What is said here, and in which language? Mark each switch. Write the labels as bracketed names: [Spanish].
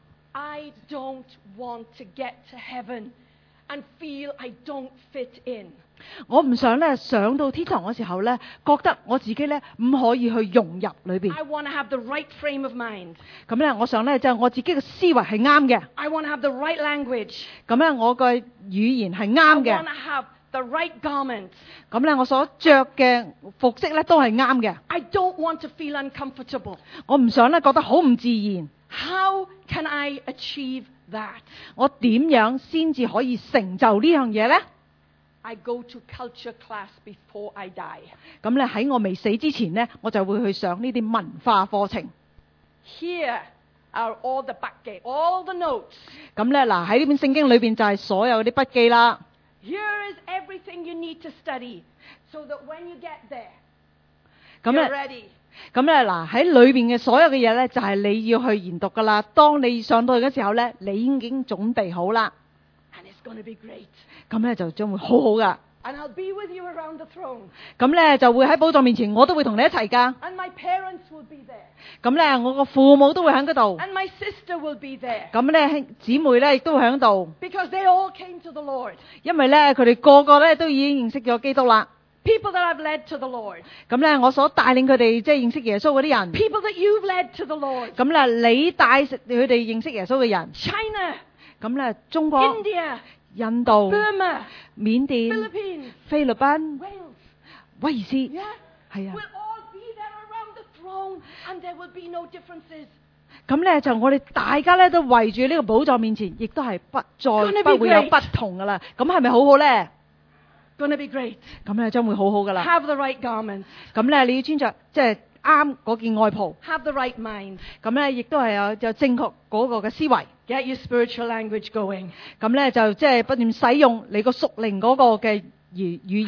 [English] I don't want to get to heaven and feel I don't fit in。 [Cantonese] 我唔想咧上到天堂嘅时候咧，觉得我自己咧唔可以去融入里边。 [English] I want to have the right frame of mind。 [Cantonese] 咁咧，我想咧就我自己嘅思维系啱嘅。 [English] I want to have the right language。 [Cantonese] 咁咧，我嘅语言系啱嘅。 [English] I want to have the right garment。 [Cantonese] 咁咧，我所着嘅服饰咧都系啱嘅。 [English] I don't want to feel uncomfortable。 [Cantonese] 我唔想咧觉得好唔自然。 [English] How can I achieve that？ [Cantonese] 我点样先至可以成就呢样嘢咧？ [English] I go to culture class before I die. [Cantonese] 咁咧喺我未死之前咧，我就会去上呢啲文化课程。 [English] Here are all the 笔记 ，all the notes. [Cantonese] 咁咧嗱喺呢本圣经里边就系所有啲笔记啦。 [English] Here is everything you need to study, so that when you get there, you're ready. [Cantonese] 咁咧嗱喺里边嘅所有嘅嘢咧，就系你要去研读噶啦。当你上到去嘅时候咧，你已经准备好啦。 [English] And it's going to be great. [Cantonese] 咁咧就将会好好噶。 [English] And I'll be with you around the throne. [Cantonese] 咁咧就会喺宝座面前，我都会同你一齐噶。 [English] And my parents will be there. [Cantonese] 咁咧，我个父母都会喺嗰度。 [English] And my sister will be there. [Cantonese] 咁咧，姊妹咧亦都喺度。 [English] Because they all came to the Lord. [Cantonese] 因为咧，佢哋个个咧都已经认识咗基督啦。 [English] People that I've led to the Lord. [Cantonese] 咁咧，我所带领佢哋即系认识耶稣嗰啲人。 [English] People that you've led to the Lord. [Cantonese] 咁咧，你带佢哋认识耶稣嘅人。 [English] China. [Cantonese] 咁咧，中国。 [English] India. [Cantonese] 印度、 [English] Burma, [Cantonese] 緬甸、 [English] Philippines, [Cantonese] 菲律賓、 [English] Wales, [Cantonese] 威爾斯，係、yeah? 啊。 [English] We'll all be there around the throne, and there will be no differences. [Cantonese] 咁咧就我哋大家咧都圍住呢個寶座面前，亦都係不再不會有不同噶啦。咁係咪好好咧 [English] ？Gonna be great. [Cantonese] 咁咧將會好好噶啦。 [English] Have the right garments. [Cantonese] 咁咧你要穿著即係啱嗰件外袍。 [English] Have the right mind. [Cantonese] 咁咧亦都係有正確嗰個嘅思維。 [English] Get your spiritual language going. [Cantonese] 咁咧就即系不断使用你个属灵嗰个嘅语言。